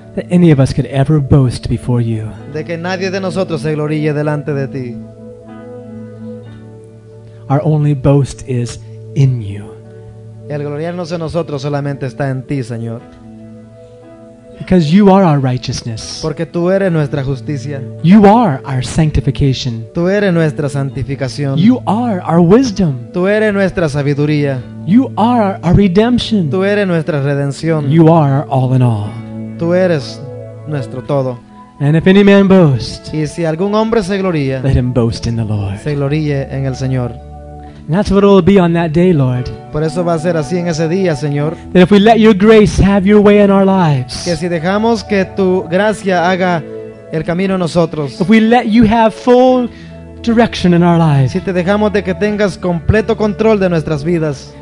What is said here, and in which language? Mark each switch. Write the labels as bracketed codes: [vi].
[en] that any of us could ever boast before you. [es] De que nadie de nosotros se gloríe delante de ti. [en] Our only boast is in you. [es] El gloriarnos de nosotros solamente está en ti, Señor. [en] Because you are our righteousness. [es] Porque tú eres nuestra justicia. [en] You are our sanctification. [es] Tú eres nuestra santificación. [en] You are our wisdom. [es] Tú eres nuestra sabiduría. [en] You are our redemption. [es] Tú eres nuestra redención. [en] You are our all in all. [es] Tú eres nuestro todo. [en] And if any man boast, [es] y si algún hombre se gloría, [en] let him boast in the Lord. [es] Se gloríe en el Señor. [en] And that's what it will be on that day, Lord. [es] Por eso va a ser así en ese día, Señor. [en] That if we let your grace have your way in our lives. [es] Que si dejamos que tu gracia haga el camino en nosotros. [en] If we let you have full direction in our lives. [es] Si te dejamos de que tengas completo control de nuestras vidas.